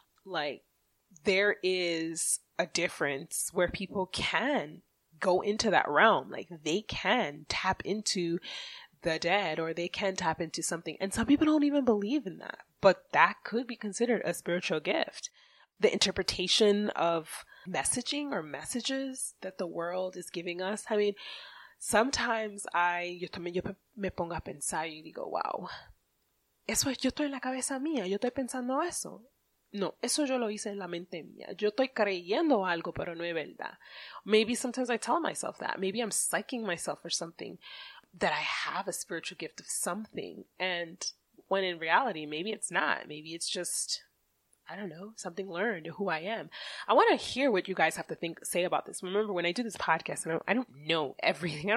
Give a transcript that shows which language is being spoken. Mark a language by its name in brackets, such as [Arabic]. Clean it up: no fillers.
[English] Like, there is a difference where people can go into that realm. Like, they can tap into the dead, or they can tap into something. And some people don't even believe in that. But that could be considered a spiritual gift. The interpretation of messaging or messages that the world is giving us. I mean, sometimes [Spanish] yo me pongo a pensar y digo, wow, eso es, yo estoy en la cabeza mía, yo estoy pensando eso. No, eso yo lo hice en la mente mía. Yo estoy creyendo algo, pero no es verdad. [English] Maybe sometimes I tell myself that. Maybe I'm psyching myself for something, that I have a spiritual gift of something. And when in reality, maybe it's not. Maybe it's just, I don't know, something learned, who I am. I want to hear what you guys have to think, say about this. Remember, when I do this podcast, I don't know everything.